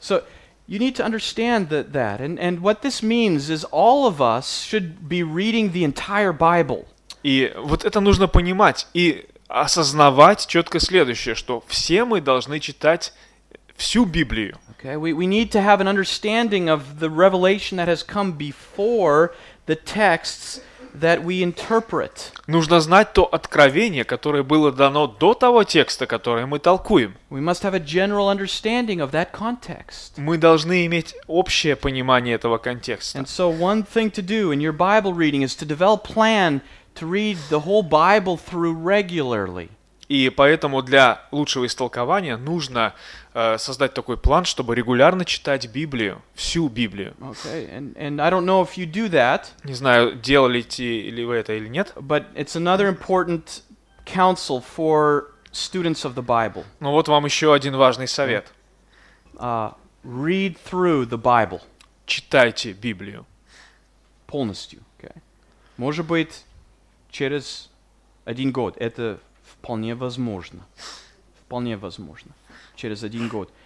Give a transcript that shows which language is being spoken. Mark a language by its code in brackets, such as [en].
[en] So you need to understand that, and what this means is all of us should be reading the entire Bible. [ru] И вот это нужно понимать и осознавать четко следующее, что все мы должны читать всю Библию. [en] Okay, we need to have an understanding of the revelation that has come before the texts that we interpret. [ru] Нужно знать то откровение, которое было дано до того текста, который мы толкуем. [en] We must have a general understanding of that context. [ru] Мы должны иметь общее понимание этого контекста. [en] And so one thing to do in your Bible reading is to develop plan to read the whole Bible through regularly. [ru] И поэтому для лучшего истолкования нужно создать такой план, чтобы регулярно читать Библию, всю Библию. [en] Okay. And I don't know if you do that, [ru] не знаю, делали вы это или нет. [en] But it's another important counsel for students of the Bible. [ru] Ну вот вам еще один важный совет. [en] Read through the Bible. [ru] Читайте Библию. Полностью. Okay. Может быть, через один год. Это вполне возможно. Вполне возможно. Через один год.